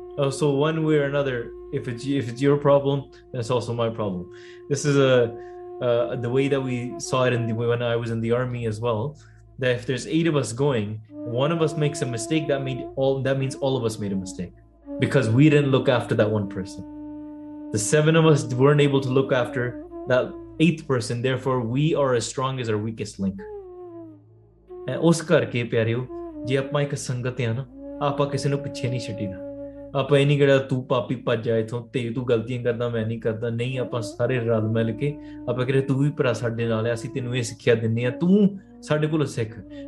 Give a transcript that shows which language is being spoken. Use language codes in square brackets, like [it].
[en] So one way or another, if it's your problem, that's also my problem. This is a the way that we saw it in the way one I was in the army as well, that if there's 8 of us going, one of us makes a mistake, that means all of us made a mistake, because we didn't look after that one person. The seven of us weren't able to look after that eighth person, therefore we are as strong as our weakest link. [pa] ਉਸ ਕਰਕੇ ਪਿਆਰਿਓ, ਜੇ ਆਪਾਂ ਇੱਕ ਸੰਗਤ ਆ ਨਾ, ਆਪਾਂ ਕਿਸੇ ਨੂੰ ਪਿੱਛੇ ਨਹੀਂ ਛੱਡੀਦਾ। ਆਪਾਂ ਇਹ ਨਹੀਂ ਕਿਹਾ ਤੂੰ ਪਾਪੀ ਭੱਜ ਜਾ ਇੱਥੋਂ, ਤੇ ਤੂੰ ਗਲਤੀਆਂ ਕਰਦਾ ਮੈਂ ਨਹੀਂ ਕਰਦਾ, ਨਹੀਂ ਆਪਾਂ ਸਾਰੇ ਰਲ ਮਿਲ ਕੇ ਆਪਾਂ ਕਹਿੰਦੇ ਤੂੰ ਵੀ ਭਰਾ ਸਾਡੇ ਨਾਲ ਆ, ਅਸੀਂ ਤੈਨੂੰ ਇਹ ਸਿੱਖਿਆ ਦਿੰਦੇ ਹਾਂ, ਤੂੰ ਸਾਡੇ ਕੋਲੋਂ ਸਿੱਖ।